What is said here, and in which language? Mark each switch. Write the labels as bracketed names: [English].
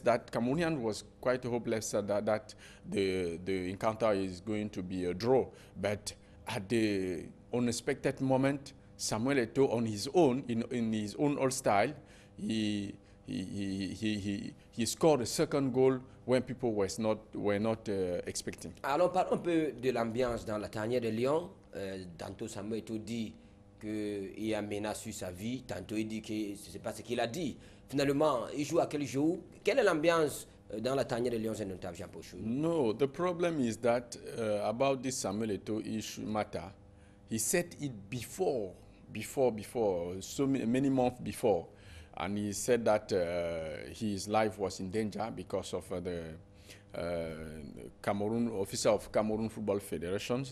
[English] That the encounter is going to be a draw. But at the unexpected moment, Samuel Eto'o, on his own, in his own old style, he scored a second goal when people were not expecting. [French] Alors parlons un peu de l'ambiance dans la tanière de Lyon. Tantôt Samuel Eto'o dit qu'il y a menace sur sa vie. Tantôt il dit que c'est pas ce qu'il a dit. Finalement, il joue à quel jeu? Quelle est l'ambiance dans la tanière de Lyon et notamment Jean Pochou? [English] No, the problem is that about this Samuel Eto'o issue matter, he said it before, so many months before, and he said that his life was in danger because of the officer of Cameroon Football Federation.